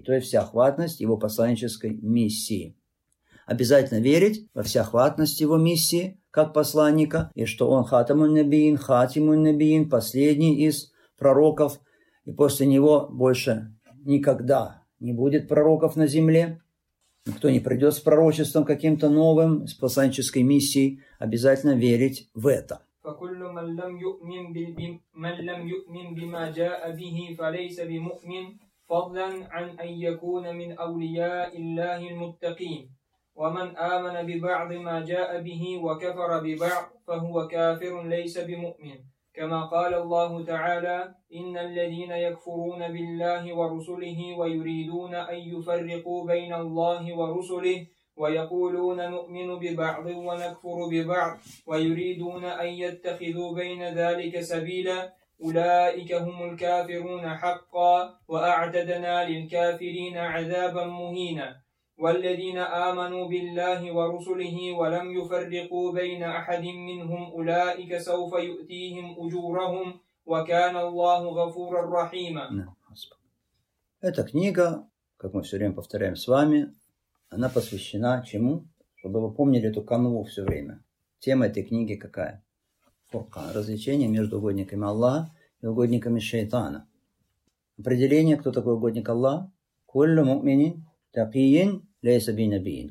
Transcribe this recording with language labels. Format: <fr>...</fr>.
<ru>То есть всеохватность его посланнической миссии. Обязательно верить во всеохватность его миссии, как посланника, и что он хатимун набиин, последний из пророков, и после него больше никогда не будет пророков на земле, никто не придет с пророчеством каким-то новым, с посланнической миссией, обязательно верить в это.</ru> <ar>فكل من لم يؤمن من لم يؤمن بما جاء به فليس بمؤمن فضلا عن أن يكون من أولياء الله المتقين ومن آمن ببعض ما جاء به وكفر ببعض فهو كافر ليس بمؤمن كما قال الله تعالى إن الذين يكفرون بالله ورسله ويريدون أن يفرقوا بين الله ورسله ويقولون نؤمن ببعض ونكفر ببعض ويريدون أن يتخذوا بين ذلك سبيلا أولئك هم الكافرون حقا وأعددنا للكافرين عذابا مهينا والذين آمنوا بالله ورسله ولم يفرقوا بين أحد منهم أولئك سوف يؤتيهم أجورهم وكان الله غفورا رحيما.</ar> <ru>Эта книга, как мы все время повторяем с вами, она посвящена чему? Чтобы вы помнили эту канву все время. Тема этой книги какая? Фуркан. Развлечение между угодниками Аллаха и угодниками шайтана. Определение, кто такой угодник Аллаха?</ru> <ar>Куллю мукмини такиин лейса бинабиин.</ar>